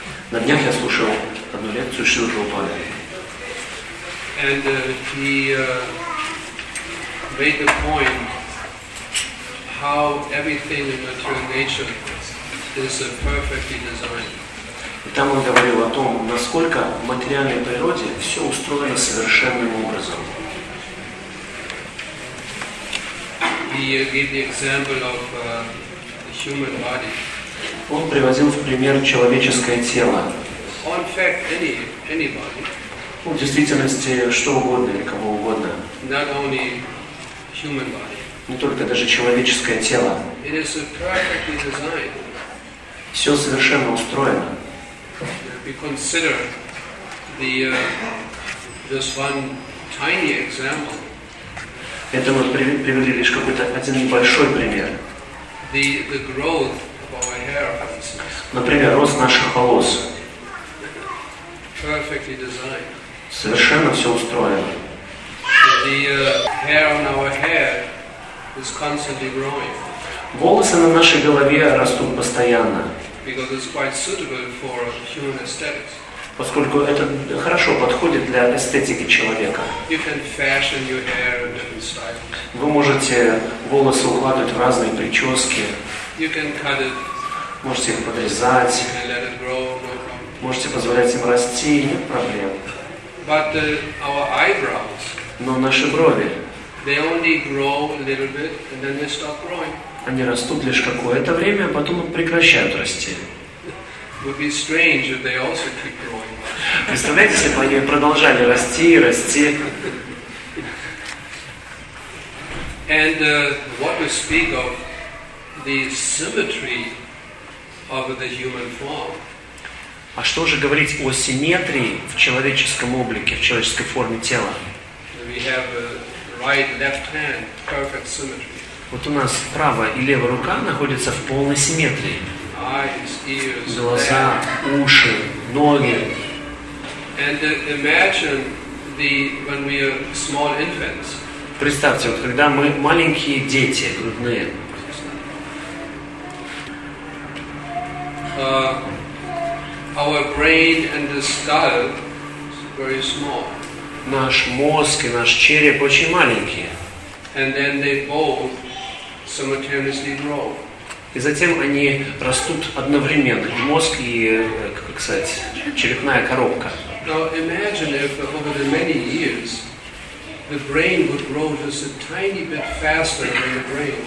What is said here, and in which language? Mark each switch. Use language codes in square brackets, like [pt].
[ru] На днях я слушал одну лекцию Шрилы Прабхупады. [en] And made the point how everything in material nature is perfectly designed. [ru] И там он говорил о том, насколько в материальной природе все устроено совершенным образом. [en] He gave the example of the human body. [ru] Он приводил в пример человеческое тело. [en] In fact, anybody. [ru] Ну, в действительности, что угодно или кого угодно. [en] Not only human body. [ru] Не только даже человеческое тело. [en] It is perfectly designed. [ru] Все совершенно устроено. [en] We consider the this one tiny example. [ru] Это мы привели лишь какой-то один небольшой пример. [en] The growth of our hair, for instance. [ru] Например, рост наших волос. [en] Perfectly designed. [ru] Совершенно все устроено. [en] Hair on our hair is constantly growing. [ru] Волосы на нашей голове растут постоянно. [en] Because it's quite suitable for human aesthetics. [ru] Поскольку это хорошо подходит для эстетики человека. [en] You can fashion your hair in different styles. [ru] Вы можете волосы укладывать в разные прически. [en] You can cut it. [ru] Можете их подрезать. [en] You can let it grow, no problem. [ru] Можете позволять им расти, нет проблем. [en] But our eyebrows. [ru] Но наши брови. [en] They only grow a little bit and then they stop growing. [ru] Они растут лишь какое-то время, а потом прекращают расти. [en] Would be strange if they also keep growing. [ru] Представляете, если бы они продолжали расти и расти. [en] And what we speak of the symmetry of the human form. [ru] А что же говорить о симметрии в человеческом облике, в человеческой форме тела? [en] We have a right, left hand, perfect symmetry. [ru] Вот у нас правая и левая рука находятся в полной симметрии. [en] Eyes, ears, [ru] глаза, уши, ноги. [en] And imagine the, when we are small infants. [ru] Представьте, вот когда мы маленькие дети, грудные. [en] Our brain and the skull is very small. [ru] Наш мозг и наш череп очень маленькие. [en] And then they both simultaneously grow. [ru] И затем они растут одновременно. Мозг и, как сказать, черепная коробка. [en] Now imagine if over the many years the brain would grow just a tiny bit faster than the brain.